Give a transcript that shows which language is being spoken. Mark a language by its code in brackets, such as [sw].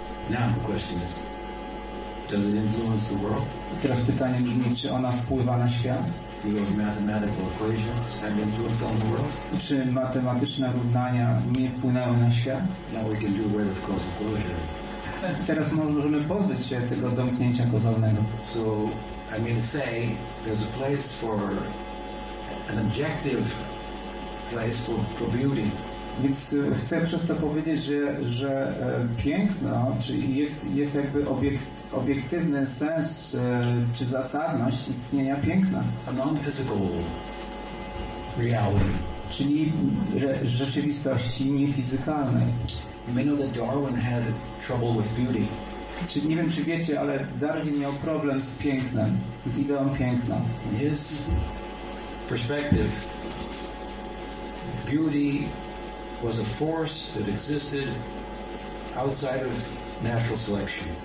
[en] Now the question is, does it influence the world? [pl] I teraz pytanie brzmi, czy ona wpływa na świat? [en] Because mathematical equations have influence on the world? [pl] Czy matematyczne równania nie wpłynęły na świat? [en] Now we can do away with causal closure. [pl] Teraz możemy pozbyć się tego domknięcia kozalnego. [en] So, I mean to say, there's a place for an objective place for beauty. [pl] Więc chcę przez to powiedzieć, że piękno, czy jest jakby obiektywny sens, czy zasadność istnienia piękna. [en] A non-physical reality. [pl] Czyli rzeczywistości niefizykalnej. [en] You may know that Darwin had trouble with beauty. [pl] Czy nie wiem, czy wiecie, ale Darwin miał problem z pięknem, z ideą piękna. [en] His perspective, beauty was a force that existed outside of natural selection.